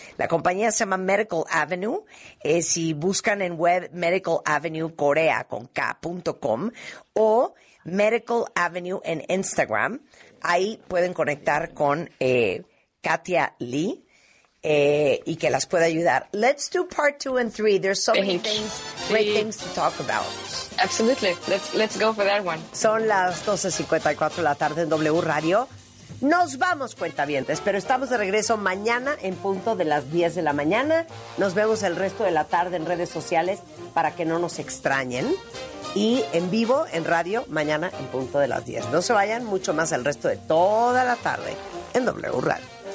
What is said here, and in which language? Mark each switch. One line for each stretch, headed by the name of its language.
Spanish: La compañía se llama Medical Avenue. Si buscan en web Medical Avenue Corea con K.com o Medical Avenue en Instagram, ahí pueden conectar con Katia Lee y que las pueda ayudar.
English: Let's do part two and three. There's so many things, great things to talk about. Absolutely. Let's go for that one.
Spanish: Son las 12:54 de la tarde en W Radio. Nos vamos, cuentavientes, pero estamos de regreso mañana en punto de las 10 de la mañana. Nos vemos el resto de la tarde en redes sociales para que no nos extrañen. Y en vivo, en radio, mañana en punto de las 10. No se vayan, mucho más el resto de toda la tarde en W Radio.